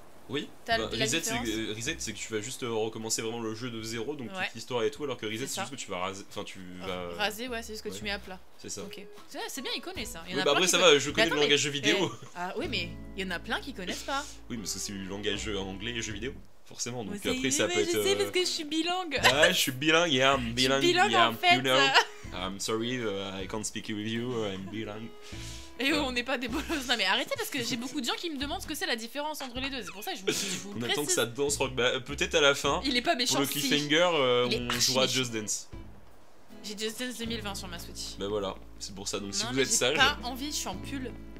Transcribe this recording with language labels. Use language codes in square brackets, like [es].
[fr] Oui, reset c'est que tu vas juste recommencer vraiment le jeu de zéro, donc toute l'histoire et tout, alors que reset c'est juste que tu vas raser. Enfin, tu vas. Raser, ouais, c'est juste que tu mets à plat. C'est ça. Okay. C'est bien, ils connaissent ça. Hein. Oui, bah après, ça va, je connais le langage jeu vidéo. Ah, oui, mais il y en a plein qui connaissent pas. Oui, mais c'est du langage anglais et jeu vidéo, forcément. Donc après, ça peut être. Je sais parce que je suis bilingue. Ouais, je suis bilingue, [en] yeah, I'm bilingue. You know. I'm sorry, I can't speak with you, I'm bilingue. [fr] Et on n'est pas des bolosses. Non mais arrêtez parce que j'ai beaucoup de gens qui me demandent ce que c'est la différence entre les deux. C'est pour ça que je vous précise. On attend que ça danse Rock. Bah, peut-être à la fin. Il est pas méchant. Pour le cliffhanger, on jouera Just Dance. J'ai Just Dance 2020 sur ma Switch. Bah voilà, c'est pour ça. Donc non, si vous êtes sage. J'ai pas envie, je suis en pull.